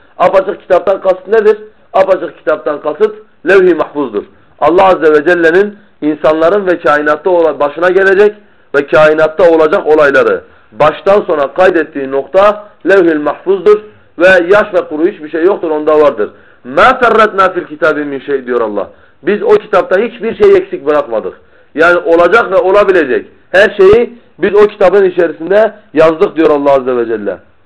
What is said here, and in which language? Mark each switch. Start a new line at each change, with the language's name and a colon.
Turkish: Apaçık kitaptan kasıt nedir? Apaçık kitaptan kasıt levh-i mahfuzdur. Allah Azze ve Celle'nin insanların ve kainatta başına gelecek ve kainatta olacak olayları baştan sona kaydettiği nokta levh-i mahfuzdur ve yaş ve kuru hiçbir şey yoktur, onda vardır.
Arabic: مَا فَرَّتْنَا فِي الْكِتَابٍ مِنْ شَيْءٍ
Turkish: diyor Allah. Biz o kitapta hiçbir şey eksik bırakmadık. Yani olacak ve olabilecek her şeyi biz o kitabın içerisinde yazdık diyor Allah Azze ve Celle.